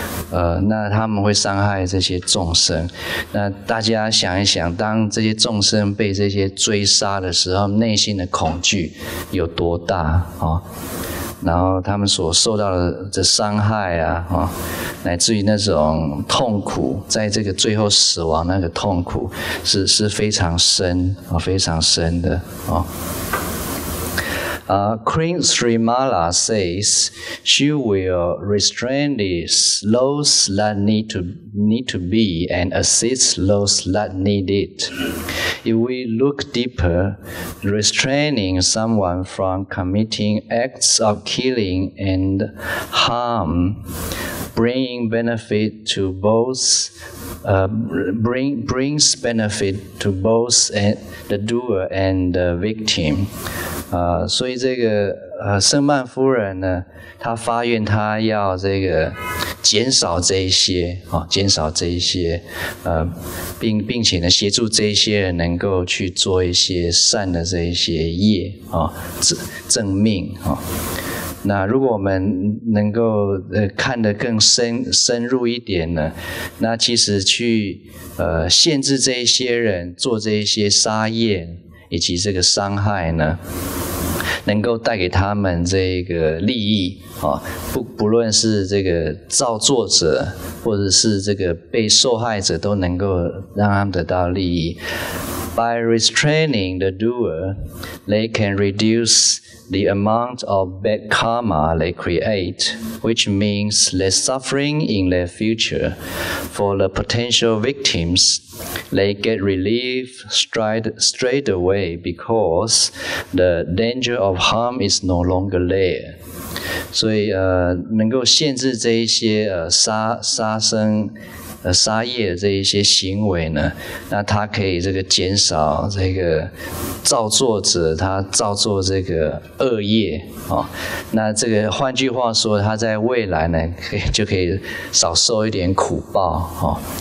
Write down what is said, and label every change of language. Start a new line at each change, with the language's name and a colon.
Chinese: 那他们会伤害这些众生。那大家想一想，当这些众生被这些追杀的时候，内心的恐惧有多大齁。然后他们所受到的伤害啊，乃至于那种痛苦，在这个最后死亡那个痛苦是非常深啊，非常深的啊。
English: Queen Sri Mala says she will restrain those that need to be and assist those that need it. If we look deeper, restraining someone from committing acts of killing and harm, brings benefit to both the doer and the victim.
Chinese: 所以这个圣曼夫人呢，她发愿她要这个减少这一些啊，减少这一些并且呢协助这一些人能够去做一些善的这一些业啊，正命啊。那如果我们能够看得更深入一点呢，那其实去限制这一些人做这一些杀业以及这个伤害呢，能够带给他们这个利益啊，不论是这个造作者或者是这个被受害者，都能够让他们得到利益。
English: By restraining the doer, they can reduce the amount of bad karma they create, which means less suffering in their future. For the potential victims, they get relief straight away because the danger of harm is no longer there.
Chinese: 所以能够限制这一些杀生杀业的这一些行为呢，那它可以这个减少这个造作者他造作这个恶业哦，那这个换句话说，他在未来呢就可以少受一点苦报